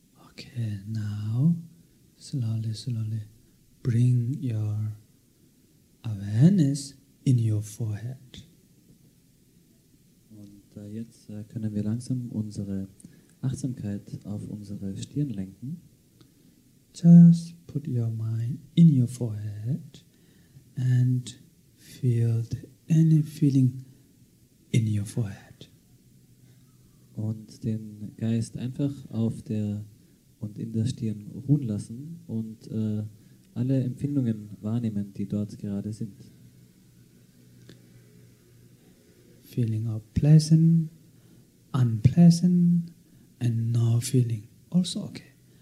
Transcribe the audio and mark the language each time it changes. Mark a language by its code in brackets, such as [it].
[en] Okay, now slowly bring your awareness in your forehead. [de] Und jetzt können wir langsam unsere Achtsamkeit auf unsere Stirn lenken. [en] Just put your mind in your forehead and feel any feeling in your forehead. [de] Und den Geist einfach auf der und in der Stirn ruhen lassen und alle Empfindungen wahrnehmen, die dort gerade sind. [en] Feeling of pleasant, unpleasant and no feeling. Also okay.